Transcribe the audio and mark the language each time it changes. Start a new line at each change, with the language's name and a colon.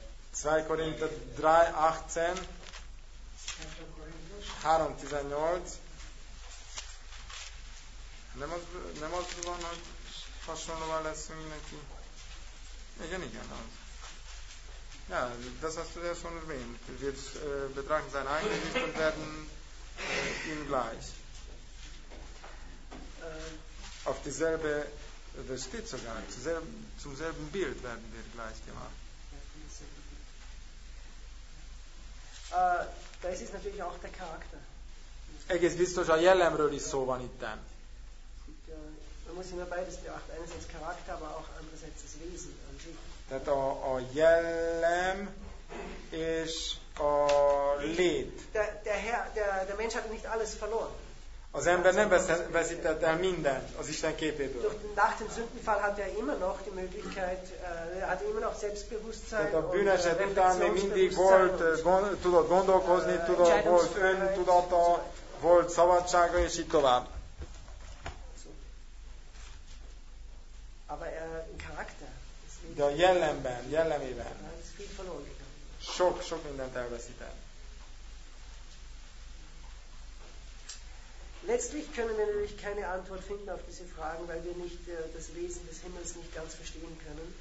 Hungarian: 2 Korinther 3:18 3:18 Nem az van, hogy hasonlóval leszünk neki. Igen, az.
German: Ja, das hast du ja schon erwähnt. Wir betrachten sein eigenes Licht und werden ihm gleich. Auf dieselbe, das steht sogar, zum selben Bild werden wir gleich gemacht. Das ist natürlich auch der Charakter.
Hungarian: Egész biztos, a jellemről is szó van itten.
German: Man muss immer beides beachten. Einerseits Charakter, aber auch andererseits das Wesen.
Hungarian: Tehát a jellem és a lét.
German: Der Mensch hat nicht alles verloren.
Hungarian: Az ember nem veszített el mindent az Isten képéből.
German: Nach dem Sündenfall hat er immer noch die Möglichkeit, hat immer noch Selbstbewusstsein.
Hungarian: Tehát a bűneset után még mindig volt, tudott gondolkozni, tudott, volt öntudata, volt szabadsága, és így tovább.
German: Aber in Charakter.
Hungarian: De a jellemben, jellemében. Sok mindent elveszített.
German: Letztlich können wir natürlich keine Antwort finden auf diese Fragen, weil wir nicht das Wesen des Himmels nicht ganz verstehen können.